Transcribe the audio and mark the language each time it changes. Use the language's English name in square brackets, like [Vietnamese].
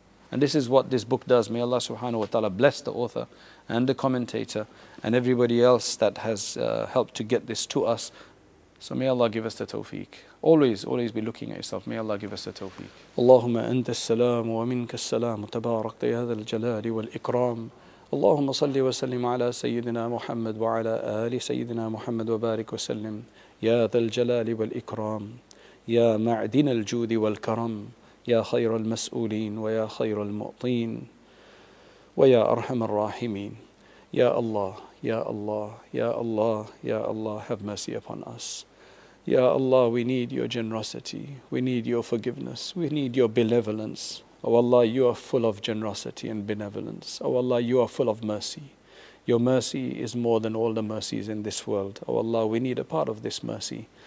[English] And this is what this book does. May Allah subhanahu wa ta'ala bless the author and the commentator and everybody else that has helped to get this to us. So may Allah give us the tawfiq. Always be looking at yourself. May Allah give us the tawfiq. [Arabic] Allahumma anta as-salam wa minka as-salam tabarak ya hadha al-jalali wal-ikram. اللهم صل وسلم على سيدنا محمد وعلى آل سيدنا محمد وبارك وسلم يا ذا الجلال والإكرام يا معدن الجود والكرم يا خير المسؤولين ويا خير المعطين ويا أرحم الراحمين يا الله يا الله يا الله يا الله [English] have mercy upon us. [Arabic] يا الله, [English] we need your generosity, we need your forgiveness, we need your benevolence. Oh Allah, you are full of generosity and benevolence. Oh Allah, you are full of mercy. Your mercy is more than all the mercies in this world. Oh Allah, we need a part of this mercy.